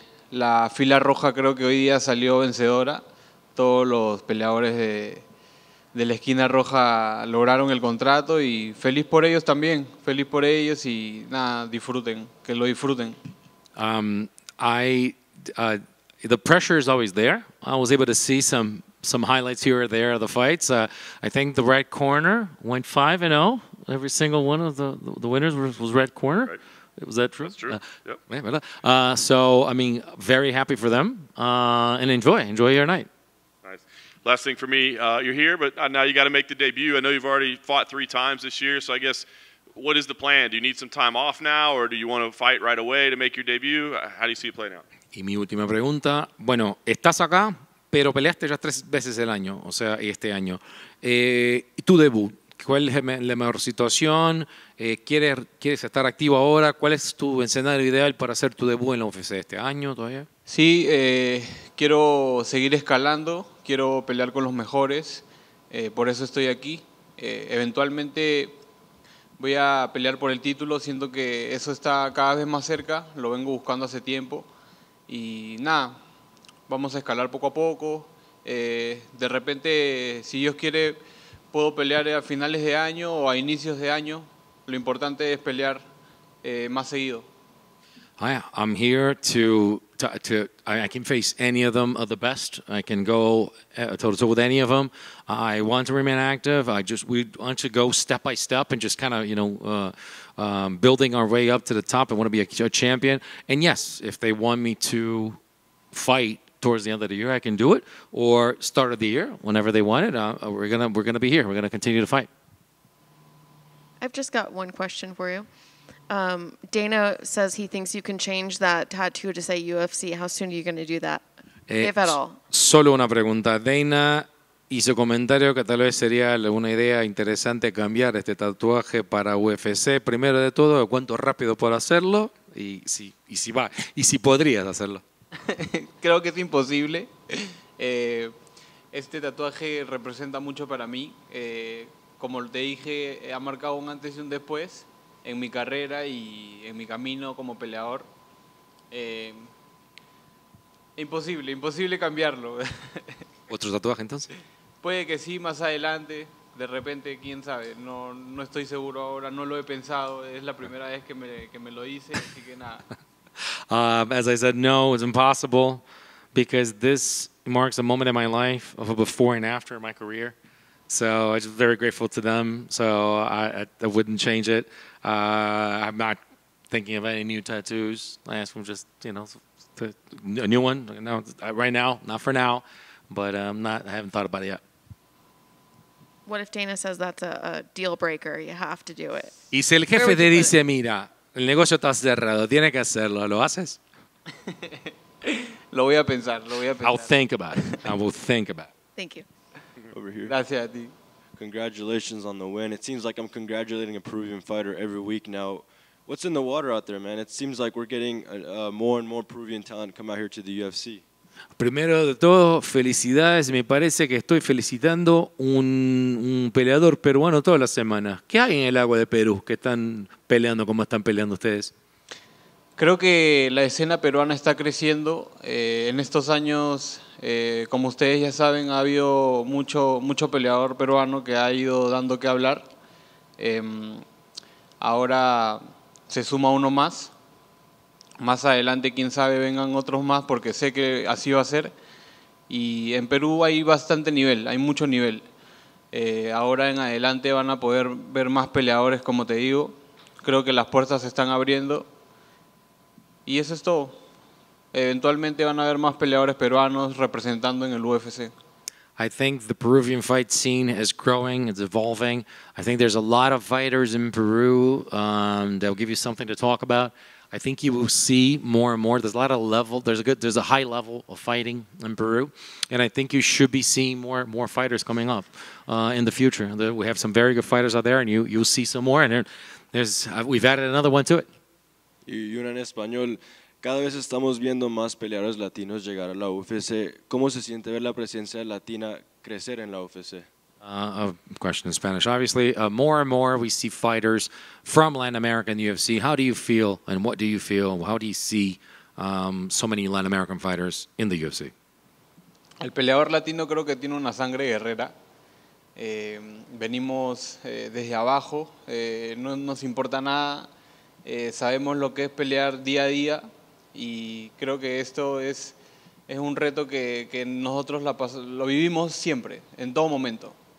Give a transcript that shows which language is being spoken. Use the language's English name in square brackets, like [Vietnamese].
[Spanish] La fila roja creo que hoy día salió vencedora. Todos los peleadores de la esquina roja lograron el contrato y feliz por ellos también. Feliz por ellos y nada, disfruten, que lo disfruten. [English] The pressure is always there. I was able to see some highlights here or there of the fights. I think the red corner went 5-0. Every single one of the winners was red corner. Right. Was that true? That's true. Yep. So, I mean, very happy for them. And enjoy your night. Nice. Last thing for me, you're here, but now you got to make the debut. I know you've already fought three times this year, so I guess, what is the plan? Do you need some time off now, or do you want to fight right away to make your debut? How do you see it playing out? [Spanish] Y mi última pregunta, bueno, estás acá, pero peleaste ya tres veces el año, o sea, este año. Tu debut, ¿cuál es la mejor situación? ¿Quieres estar activo ahora? ¿Cuál es tu escenario ideal para hacer tu debut en la UFC este año todavía? Sí, quiero seguir escalando, quiero pelear con los mejores, por eso estoy aquí. Eventualmente voy a pelear por el título, siento que eso está cada vez más cerca, lo vengo buscando hace tiempo y nada. Vamos a escalar poco a poco. De repente, si Dios quiere, puedo pelear a finales de año o a inicios de año. Lo importante es pelear más seguido. [English] Hi, I'm here to I can face any of them of the best. I can go toe-to-toe with any of them. I want to remain active. We want to go step by step and just kind of, you know, building our way up to the top. I want to be a champion. And yes, if they want me to fight towards the end of the year, I can do it, or start of the year, whenever they want it. We're gonna be here. We're gonna continue to fight. I've just got one question for you. Dana says he thinks you can change that tattoo to say UFC. How soon are you gonna do that, if at all? [Spanish] Solo una pregunta. Dana hizo comentario que tal vez sería una idea interesante cambiar este tatuaje para UFC. Primero de todo, ¿cuánto rápido puedo hacerlo? Y si podrías hacerlo. Creo que es imposible. Este tatuaje representa mucho para mí. Como te dije, ha marcado un antes y un después en mi carrera y en mi camino como peleador. Imposible cambiarlo. ¿Otro tatuaje entonces? Puede que sí, más adelante. De repente, quién sabe, no estoy seguro ahora, no lo he pensado. Es la primera vez que me lo hice, así que nada. [English] As I said, no, it's impossible, because this marks a moment in my life of a before and after my career. So I'm just very grateful to them. So I wouldn't change it. I'm not thinking of any new tattoos. I asked them just, you know, a new one. No, right now, not for now, but I haven't thought about it yet. What if Dana says that's a deal breaker? You have to do it. [Spanish] Y si el jefe te dice, mira, el negocio está cerrado, tiene que hacerlo, ¿lo haces? Lo voy a pensar. [English] I'll think about it. I will think about it. Thank you. Over here. [Spanish] Gracias a ti. [English] Congratulations on the win. It seems like I'm congratulating a Peruvian fighter every week now. What's in the water out there, man? It seems like we're getting more and more Peruvian talent come out here to the UFC. [Spanish] Primero de todo, felicidades. Me parece que estoy felicitando un peleador peruano todas las semanas. ¿Qué hay en el agua de Perú que están peleando como están peleando ustedes? Creo que la escena peruana está creciendo. En estos años, como ustedes ya saben, ha habido mucho peleador peruano que ha ido dando que hablar. Ahora se suma uno más. Más adelante, quién sabe, vengan otros más, porque sé que así va a ser. Y en Perú hay bastante nivel, hay mucho nivel. Ahora en adelante van a poder ver más peleadores, como te digo. Creo que las puertas se están abriendo. Y eso es todo. Eventualmente van a haber más peleadores peruanos representando en el UFC. [English] I think the Peruvian fight scene is growing, it's evolving. I think there's a lot of fighters in Peru that will give you something to talk about. I think you will see more and more. There's a lot of level. There's a high level of fighting in Peru, and I think you should be seeing more fighters coming up in the future. We have some very good fighters out there, and you'll see some more. And we've added another one to it. [Spanish] Y una en español. Cada vez estamos viendo más peleadores latinos llegar a la UFC. ¿Cómo se siente ver la presencia latina crecer en la UFC? [English] A question in Spanish, obviously. More and more we see fighters from Latin America in the UFC. How do you feel and what do you feel? How do you see so many Latin American fighters in the UFC? [Spanish] El peleador latino creo que tiene una sangre guerrera. Venimos desde abajo. No nos importa nada. Sabemos lo que es pelear día a día. Y creo que esto es un reto que nosotros lo vivimos siempre, en todo momento.